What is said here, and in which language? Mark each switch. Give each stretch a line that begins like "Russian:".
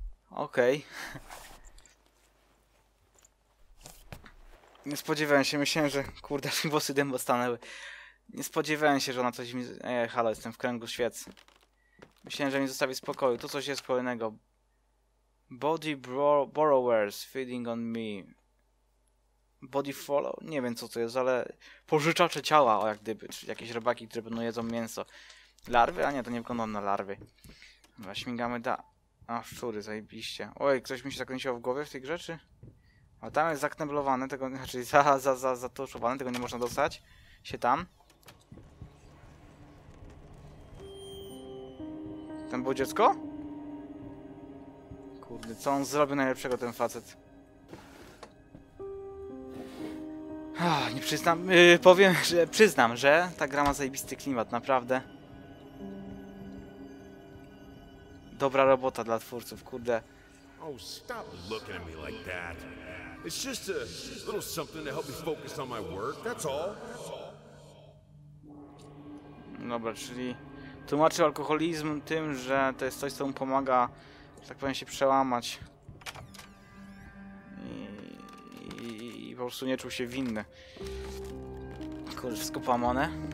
Polish: Okej. Nie spodziewałem się, myślałem, że kurde, mi włosy dębo stanęły. Nie spodziewałem się, że ona coś mi... halo, jestem w kręgu świec. Myślałem, że mi zostawi spokoju, to coś jest kolejnego.
English: Body borrowers feeding on me. Body follow?
Polish: Nie wiem co to jest, ale... Pożyczacze ciała, o jak gdyby. Czy jakieś robaki, które będą jedzą mięso. Larwy? A nie, to nie wygląda na larwy. Dobra, śmigamy da... A, szczury, zajebiście. Oj, ktoś mi się zakręcił w głowie w tej grze, czy? A tam jest zakneblowane, tego... Znaczy, zatuszowane, tego nie można dostać. Się tam. Tam było dziecko? Kurde, co on zrobi najlepszego, ten facet? Nie przyznam, powiem, że przyznam, że ta gra ma zajebisty klimat, naprawdę. Dobra robota dla twórców, kurde.
English: Oh, stop looking at me like that. It's just a little something to help me focus on my work, that's all.
Polish: Dobra, czyli tłumaczył alkoholizm tym, że to jest coś, co mu pomaga, że tak powiem, się przełamać. Po prostu nie czuł się winny. Kurde, wszystko połamane.